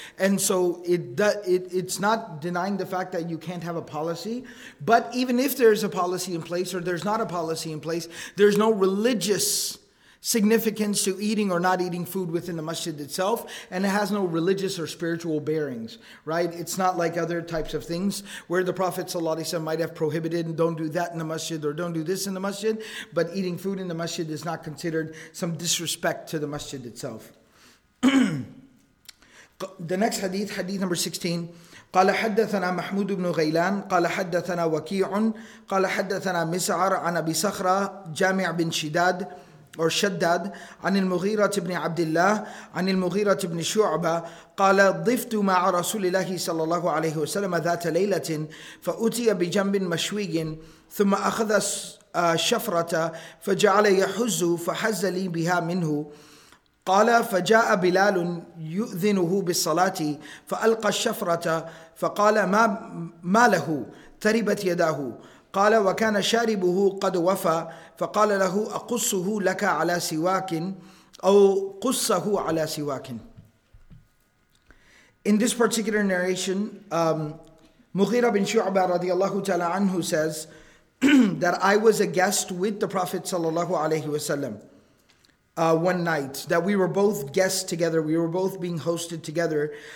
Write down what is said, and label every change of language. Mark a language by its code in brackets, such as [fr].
[en] And so it's not denying the fact that you can't have a policy, but even if there's a policy in place or there's not a policy in place, there's no religious significance to eating or not eating food within the masjid itself, and it has no religious or spiritual bearings, right? It's not like other types of things where the Prophet ﷺ might have prohibited and don't do that in the masjid or don't do this in the masjid, but eating food in the masjid is not considered some disrespect to the masjid itself. The next hadith, hadith number 16, [ar] قال حدثنا محمود بن غيلان قال حدثنا وكيع قال حدثنا مسعر عن أبي صخرة جامع بن شداد or Shaddad, عن المغيرة بن عبد الله عن المغيرة بن شعبة قال ضفت مع رسول الله صلى الله عليه وسلم ذات ليلة فأتي بجنب مشوي ثم أخذ شفرة فجعل يحز فحز لي بها منه قال فجاء بلال يؤذنه بالصلاة فألقى الشفرة فقال ما له تربت يداه قال وكان شاربه قد وفى فقال له أقصه لك على سواك أو قصه على سواك. [en] In this particular narration, Mughira bin Shu'ba radiallahu ta'ala anhu says that I was a guest with the Prophet sallallahu alayhi wasallam one night, that we were both guests together, we were both being hosted together.